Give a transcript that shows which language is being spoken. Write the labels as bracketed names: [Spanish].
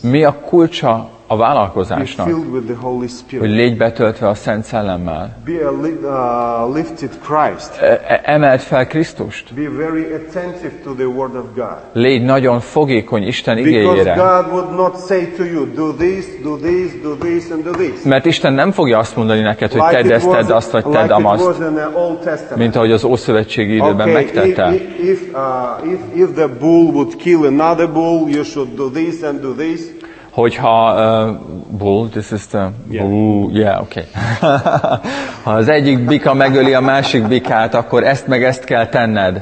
[Hungarian] Mi a kulcsa a vállalkozásnak? [English] Be filled with the Holy Spirit. [Hungarian] Hogy légy betöltve a Szent Szellemmel. [English] Be a lifted Christ. [Hungarian] Emeld fel Krisztust. [English] Be very attentive to the word of God. [Hungarian] Légy nagyon fogékony Isten igéjére. [English] God would not say to you, do this, do this, do this and do this. [Hungarian] Mert Isten nem fogja azt mondani neked, hogy tedd ezt, tedd azt, vagy tedd amazt. Mint ahogy az Ószövetségi időben megtette. [English] If the bull would kill another bull, you should do this and do this. [Hungarian] Hogyha [English] bull, this is the bull, yeah, okay. [Hungarian] Ha az egyik bika megöli a másik bikát, akkor ezt meg ezt kell tenned.